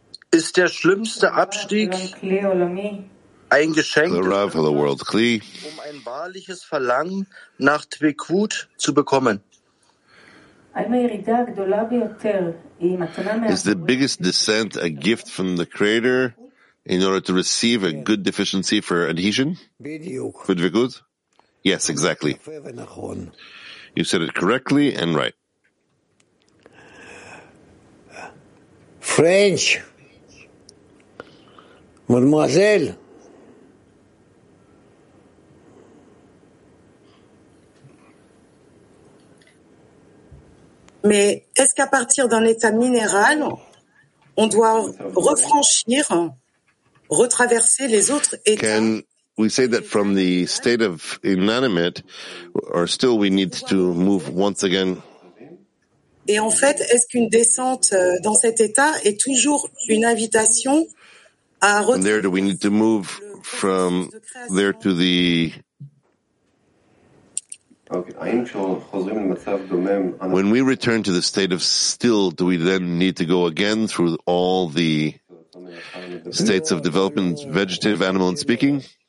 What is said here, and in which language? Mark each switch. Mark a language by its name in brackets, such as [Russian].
[German] Ist der schlimmste Abstieg ein Geschenk, um ein wahrliches Verlangen nach Tvekut zu bekommen? [English] Is the biggest descent a gift from the Creator in order to receive a good deficiency for adhesion? For Tvekut? Yes, exactly. You said it correctly and right. French. [French] Mademoiselle. [English] Hello. [French] Mais est-ce qu'à partir d'un état minéral, on doit refranchir, retraverser les autres états? [English] Can we say that from the state of inanimate, or still we need to move once again? [French] Et en fait, est-ce qu'une descente dans cet état est toujours une invitation à retraverser? [English] And there, do we need to move from there to the... When we return to the state of still, do we then need to go again through all the states of development, vegetative, animal, and speaking?